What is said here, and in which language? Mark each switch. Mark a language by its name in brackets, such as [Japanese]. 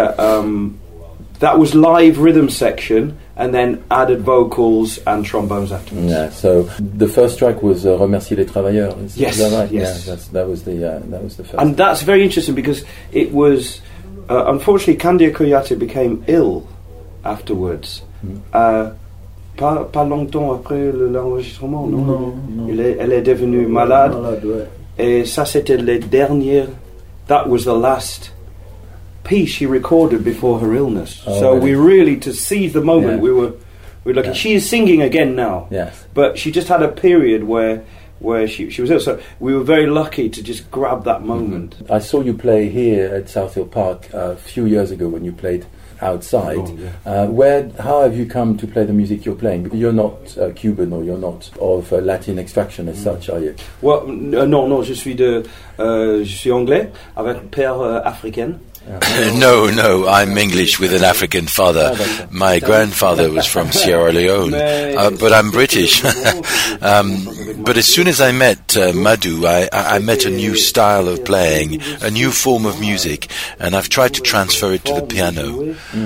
[English] That was live rhythm section, and then added vocals and trombones afterwards. Yeah, so the first track was Remercier les Travailleurs. Yes, is that right? Yes. Yeah, that was the first. And that's very interesting, because it was... unfortunately, Kandia Kouyaté became ill afterwards. [French] Pas longtemps après l'enregistrement, non? Non. Elle est devenue malade. Et ça, c'était les dernières... [English] That was the last piece she recorded before her illness. Oh, so really? We really, to seize the moment, we were looking. Yeah. She is singing again now. Yes. But she just had a period where she was ill. So we were very lucky to just grab that moment. I saw you play here at South Hill Park a few years ago when you played outside. How have you come to play the music you're playing? You're not Cuban, or you're not of Latin extraction as such, are you? Well, no, [French] je suis anglais avec père africain. [English] No, I'm English with an African father. My grandfather was from Sierra Leone, but I'm British. But as soon as I met Madu, I met a new style of playing, a new form of music, and I've tried to transfer it to the piano.